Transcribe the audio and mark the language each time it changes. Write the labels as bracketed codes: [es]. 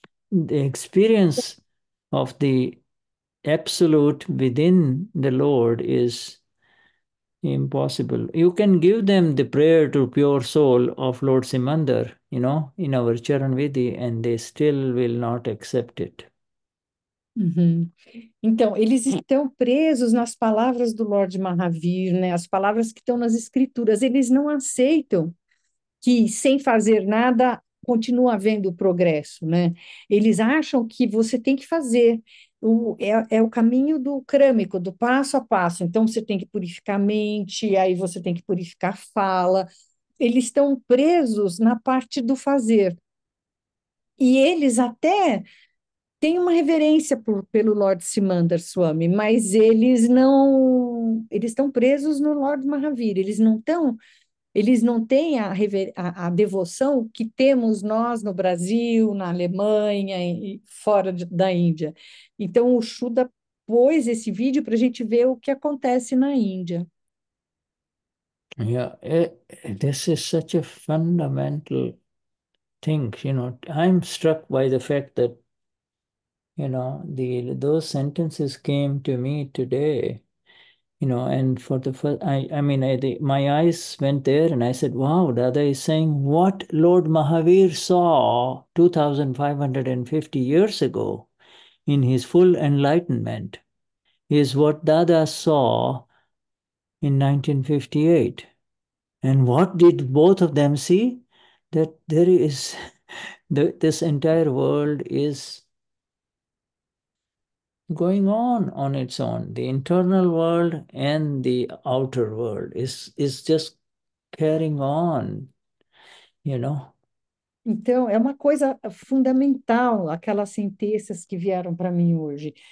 [en] The experience of the absolute within the Lord is impossible. You can give them the prayer to pure soul of Lord Simandar, you know, in our Charanvidhi, and they still will not accept it. [pt] Então, eles estão presos nas palavras do Lord Mahavir, né? As palavras que estão nas escrituras. Eles não aceitam que, sem fazer nada, continua havendo progresso, né? Eles acham que você tem que fazer. É o caminho do crâmico, do passo a passo. Então, você tem que purificar a mente, aí você tem que purificar a fala. Eles estão presos na parte do fazer. E eles até tem uma reverência pelo Lord Simandar Swami, mas eles não, eles estão presos no Lord Mahavir, eles não têm a devoção que temos nós no Brasil, na Alemanha e fora da Índia. Então o Shuddha pôs esse vídeo para a gente ver o que acontece na Índia. [en] This is such a fundamental thing, you know. I'm struck by the fact that, you know, those sentences came to me today, you know, and for the first, my eyes went there and I said, wow, Dada is saying what Lord Mahavir saw 2,550 years ago in his full enlightenment is what Dada saw in 1958. And what did both of them see? That there is, this entire world is going on its own. The internal world and the outer world is just carrying on [pt] Então, é uma coisa fundamental aquelas sentenças que vieram para mim hoje.